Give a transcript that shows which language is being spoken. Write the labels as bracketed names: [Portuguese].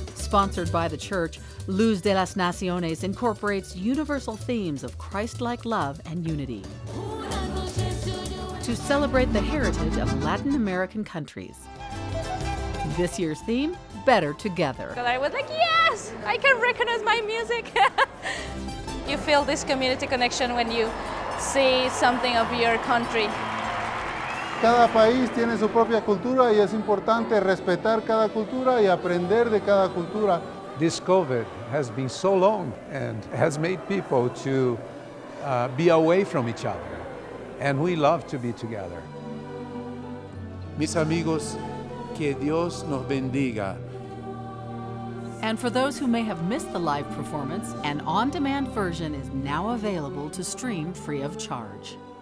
[English] Sponsored by the church, Luz de las Naciones incorporates universal themes of Christ-like love and unity to celebrate the heritage of Latin American countries. This year's theme, Better Together. But I was like, yes, I can recognize my music. You feel this community connection when you see something of your country. [Spanish] Cada país tiene su propia cultura y es importante respetar cada cultura y aprender de cada cultura. [English] This COVID has been so long and has made people to be away from each other. And we love to be together. [Spanish] Mis amigos, que Dios nos bendiga. [English] And for those who may have missed the live performance, an on-demand version is now available to stream free of charge.